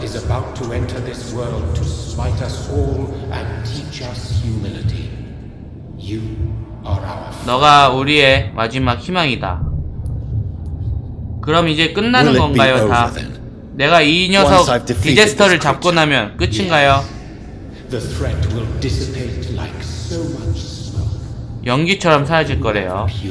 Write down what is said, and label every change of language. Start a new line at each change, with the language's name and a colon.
English: Is about to enter this world to smite us all and teach us humility. You are our.
Korean: 너가 우리의 마지막 희망이다. 그럼 이제 끝나는 건가요, 다? 내가 이 녀석 디제스터를 잡고 나면 끝인가요?
English: The threat will dissipate like so much smoke.
Korean: 연기처럼 사라질 거래요.